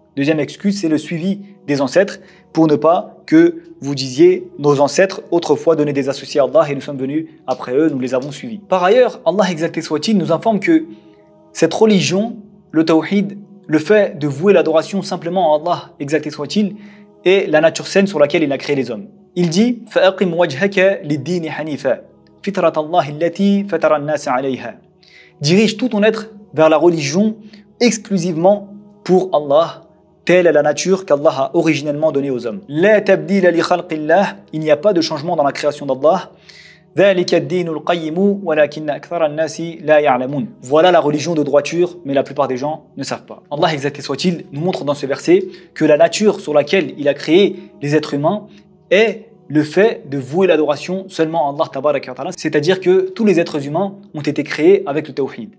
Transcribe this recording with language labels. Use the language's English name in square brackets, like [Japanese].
[French] Deuxième excuse, c'est le suivi des ancêtres pour ne pas que vous disiez nos ancêtres autrefois donnaient des associés à Allah et nous sommes venus après eux, nous les avons suivis. Par ailleurs, Allah exalté soit-il nous informe que cette religion, le tawhid, le fait de vouer l'adoration simplement à Allah exalté soit-il, est la nature saine sur laquelle il a créé les hommes. Il dit [Arabic] « فَأَقِمْ وَجْهَكَ لِلدِّينِ حَنِيفًا فِتْرَةَ اللَّهِ الَّتِي فَتَرَ النَّاسَ عَلَيْهَا. [French] Dirige tout ton être vers la religion exclusivement pour Allah, telle est la nature qu'Allah a originellement donnée aux hommes. [Arabic] لا تبديل لخلق الله. [French] Il n'y a pas de changement dans la création d'Allah. [Arabic] ذلك الدين القيم ولكن أكثر الناس لا يعلمون. [French] Voilà la religion de droiture, mais la plupart des gens ne savent pas. Allah exalté soit-il nous montre dans ce verset que la nature sur laquelle il a créé les êtres humains est le fait de vouer l'adoration seulement à Allah tabaraka wa ta'ala, c'est-à-dire que tous les êtres humains ont été créés avec le tawhid.